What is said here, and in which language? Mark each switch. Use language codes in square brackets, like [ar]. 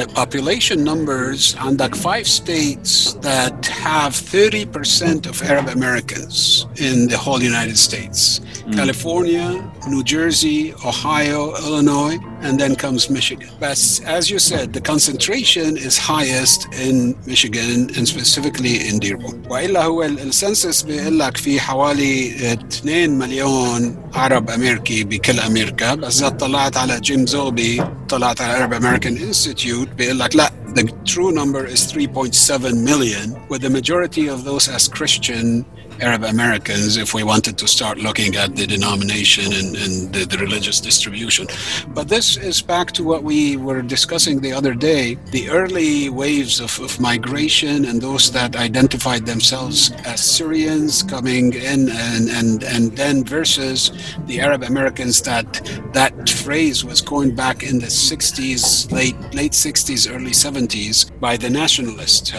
[en] Population numbers, and like five states that have 30% of Arab Americans in the whole United States. California, New Jersey, Ohio, Illinois, and then comes Michigan. But as you said, the concentration is highest in Michigan, and specifically in Dearborn. [ar] وإلا هو السنسس بيقول لك في حوالي 2 مليون عرب أمريكي بكل أمريكا. بس إذا طلعت على جيم زوبي, طلعت على Arab American Institute, بيقول لك لا. [en] The true number is 3.7 million, with the majority of those as Christian Arab Americans, if we wanted to start looking at the denomination and the religious distribution. But this is back to what we were discussing the other day, the early waves of migration and those that identified themselves as Syrians coming in and then versus the Arab Americans that phrase was coined back in the 60s, late 60s, early 70s by the nationalists.